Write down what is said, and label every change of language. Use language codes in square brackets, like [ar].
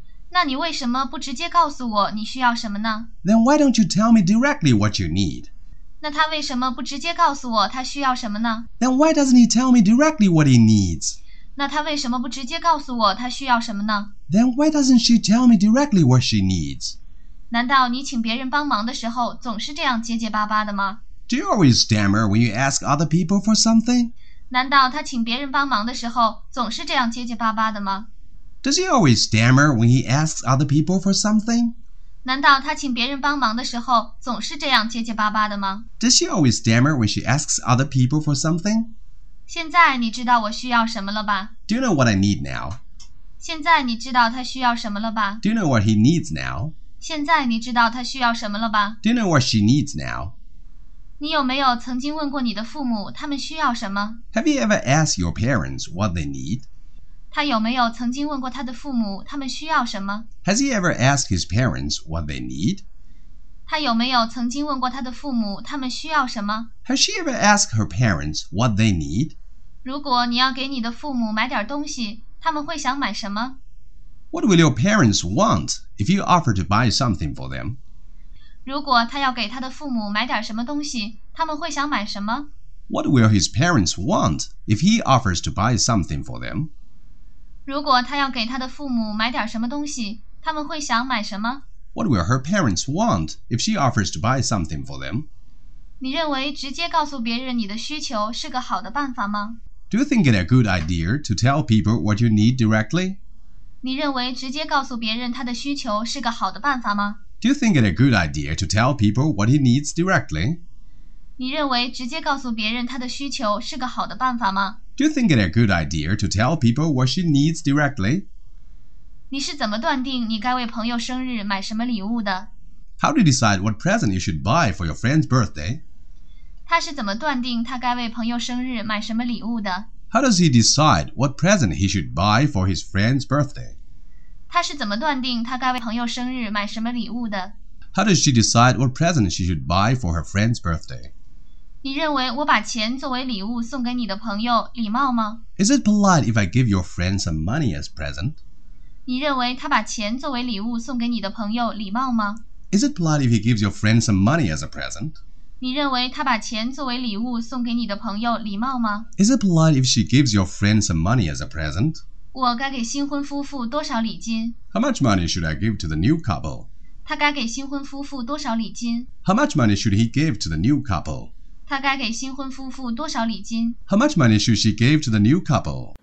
[zh] 那你为什么不直接告诉我你需要什么呢? [en] Then why don't you tell me directly what you need? [zh] 那他为什么不直接告诉我他需要什么呢? [en] Then why doesn't he tell me directly what he needs? [zh] 那他为什么不直接告诉我他需要什么呢? [en] Then why doesn't she tell me directly what she needs? [zh] 难道你请别人帮忙的时候总是这样结结巴巴的吗? [en] Do you always stammer when you ask other people for something? [zh] 难道他请别人帮忙的时候总是这样结结巴巴的吗? [en] Does he always stammer when he asks other people for something? [zh] 难道他请别人帮忙的时候总是这样结结巴巴的吗? [en] Does she always stammer when she asks other people for something? [zh] 现在你知道我需要什么了吧? [en] Do you know what I need now? [zh] 现在你知道他需要什么了吧? [en] Do you know what he needs now? [zh] 现在你知道他需要什么了吧? [en] Do you know what she needs now? [zh] 你有没有曾经问过你的父母他们需要什么? [en] Have you ever asked your parents what they need? [zh] 他有没有曾经问过他的父母他们需要什么? [en] Has he ever asked his parents what they need? [zh] 他有没有曾经问过他的父母他们需要什么? [en] Has she ever asked her parents what they need? [zh] 如果你要给你的父母买点东西他们会想买什么? [en] What will your parents want if you offer to buy something for them? [zh] 如果他要给他的父母买点什么东西他们会想买什么? [en] What will his parents want if he offers to buy something for them? [zh] 如果他要给他的父母买点什么东西他们会想买什么? [en] What will her parents want if she offers to buy something for them? [zh] 你认为直接告诉别人你的需求是个好的办法吗? [en] Do you think it a good idea to tell people what you need directly? [zh] 你认为直接告诉别人他的需求是个好的办法吗? [en] Do you think it a good idea to tell people what he needs directly? [zh] 你认为直接告诉别人他的需求是个好的办法吗? [en] Do you think it a good idea to tell people what she needs directly? [zh] 你是怎么断定你该为朋友生日买什么礼物的? [en] How do you decide what present you should buy for your friend's birthday? [zh] 他是怎么断定他该为朋友生日买什么礼物的? [en] How does he decide what present he should buy for his friend's birthday? [zh] 他是怎么断定他该为朋友生日买什么礼物的? [en] How does she decide what present she should buy for her friend's birthday? [zh] 你认为我把钱作为礼物送给你的朋友礼貌吗? [en] Is it polite if I give your friend some money as present? [zh] 你认为他把钱作为礼物送给你的朋友礼貌吗? [en] Is it polite if he gives your friend some money as a present? [zh] 你认为他把钱作为礼物送给你的朋友礼貌吗? [en] Is it polite if she gives your friend some money as a present? [zh] 我该给新婚夫妇多少礼金? [en] How much money should I give to the new couple? [zh] 他该给新婚夫妇多少礼金? [en] How much money should he give to the new couple? [zh] 他该给新婚夫妇多少礼金? [en] How much money should she give to the new couple?